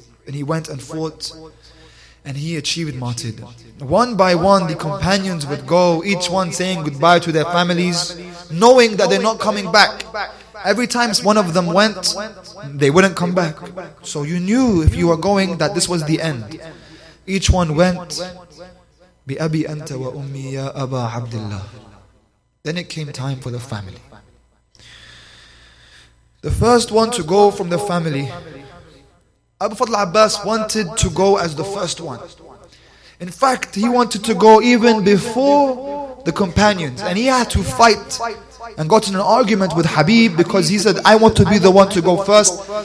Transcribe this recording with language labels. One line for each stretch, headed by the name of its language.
English: And he went and fought, and he achieved martyrdom. One by one, the companions would go, each one saying goodbye to their families, knowing that they're not coming back. Every time one of them went, they wouldn't come back. So you knew if you were going that this was the end. Each one went,
Arabic: بِأَبِي أَنْتَ وَأُمِّي يَا أَبَا عَبْدِ اللَّهِ.
English: Then it came time for the family. The first one to go from the family, Abu Fadl Abbas wanted to go as the first one. In fact, he wanted to go even before the companions. And he had to fight and got in an argument with Habib because he said, "I want to be the one to go first."